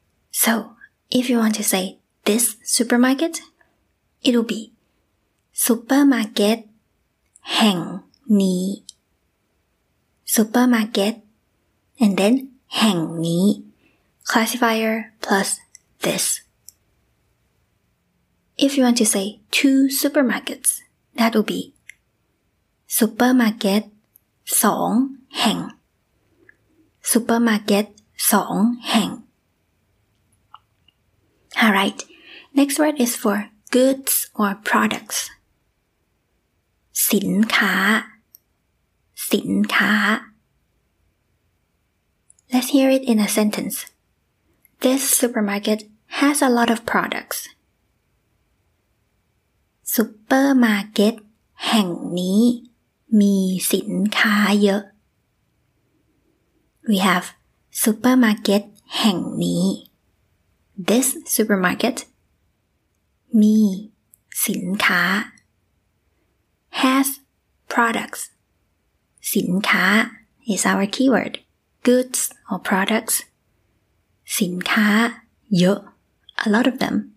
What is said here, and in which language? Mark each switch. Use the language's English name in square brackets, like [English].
[English] So, if you want to say this supermarket, it will be supermarket แห่งนี้ supermarket and then แห่งนี้ classifier plus this. If you want to say two supermarkets, that will be. [Thai] ซุปเปอร์มาร์เก็ต2แห่งซุปเปอร์มาร์เก็ต2แห่ง All right. [English] Next word is for goods or products. สินค้าสินค้า Let's hear it in a sentence. This supermarket has a lot of products. [Thai] ซุปเปอร์มาร์เก็ตแห่งนี้มีสินค้าเยอะ [English] We have supermarket แห่งนี้ This supermarket [Thai] มีสินค้า [English] has products สินค้า is our keyword goods or products [Thai] สินค้าเยอะ [English] a lot of them